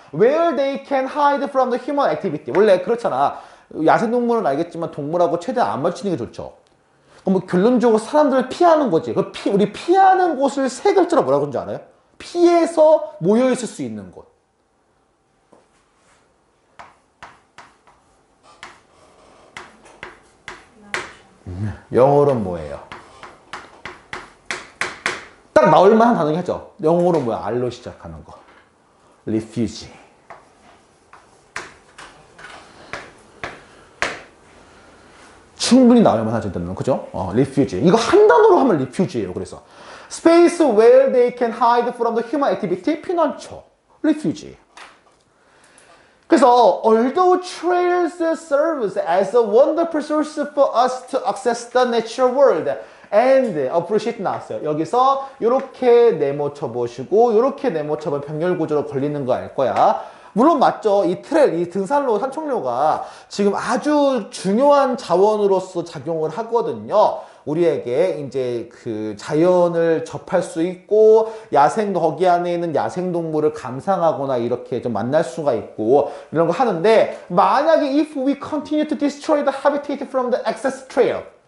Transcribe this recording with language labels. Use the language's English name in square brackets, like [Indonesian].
[English] Where they can hide from the human activity. [Korean] 원래 그렇잖아. 야생동물은 알겠지만 동물하고 최대한 안 맞추는 게 좋죠. 그럼 뭐 결론적으로 사람들을 피하는 거지. 그 피, 우리 피하는 곳을 세 글자로 뭐라고 하는지 알아요? 피해서 모여있을 수 있는 곳. 영어로는 뭐예요? 딱 나올 만한 단어긴 하죠. 영어로 뭐야? R로 시작하는 거. Refuge. 충분히 나올만 하지 않나요? 그죠? 리퓨지. 이거 한 단어로 하면 리퓨지예요. 그래서 [English] space where they can hide from the human activity [Korean] 피난처. 리퓨지. 그래서 [English] although trails serve as a wonderful source for us to access the natural world and appreciate [Korean] 나왔어요. 여기서 이렇게 네모 쳐보시고 이렇게 네모 쳐보면 병렬구조로 걸리는 거 알 거야. 물론 맞죠. 이 트레일, 이 등산로, 산책로가 지금 아주 중요한 자원으로서 작용을 하거든요. 우리에게 이제 그 자연을 접할 수 있고 야생 거기 안에 있는 야생 동물을 감상하거나 이렇게 좀 만날 수가 있고 이런 거 하는데 만약에 [English] if we continue to destroy the habitat from the access trail